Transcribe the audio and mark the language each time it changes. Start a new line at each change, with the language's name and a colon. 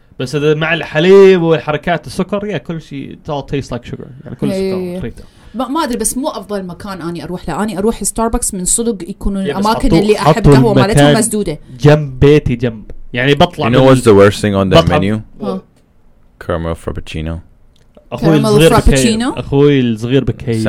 Arabic: بس هذا مع الحليب والحركات السكر يا كل شيء
English: all tastes like sugar
Arabic: يعني كل سكر ما أدري بس مو أفضل مكان أني أروح له أني أروح ستاربكس من صدق يكون الأماكن اللي أحب قهوة مالتهم مسدودة جنب بيتي جنب يعني بطلع
English: you know what's the worst thing on that menu caramel frappuccino
Arabic: أخوي الصغير بكيف أخوي الصغير بكيف